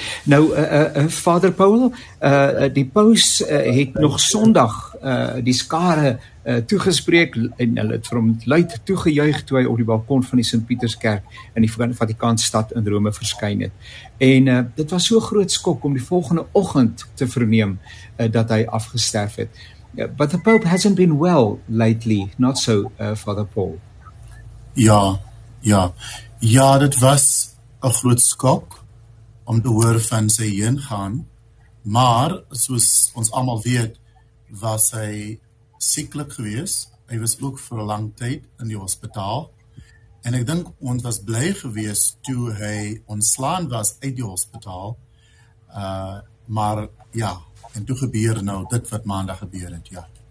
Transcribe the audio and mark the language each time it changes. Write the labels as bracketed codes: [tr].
[af] Nou, Vader Paul, die paus het nog Sondag die skare toegespreek en hulle het vir hom luid toegejuig toe hy op die balkon van die Sint-Pieterskerk in die Vatikaanstad in Rome verskyn het. En dit was so groot skok om die volgende oggend te verneem dat hy afgesterf het. [en] Yeah, but the Pope hasn't been well lately, not so, Father Paul. [af] Ja, dit was 'n groot skok om te hoor van sy heengaan, maar soos ons almal weet, was hy sieklik geweest. Hy was ook vir 'n lang tyd in die hospitaal, en ek dink ons was bly geweest toe hy ontslaan was uit die hospitaal, maar ja, en toe gebeur nou dit wat maandag gebeur het, ja.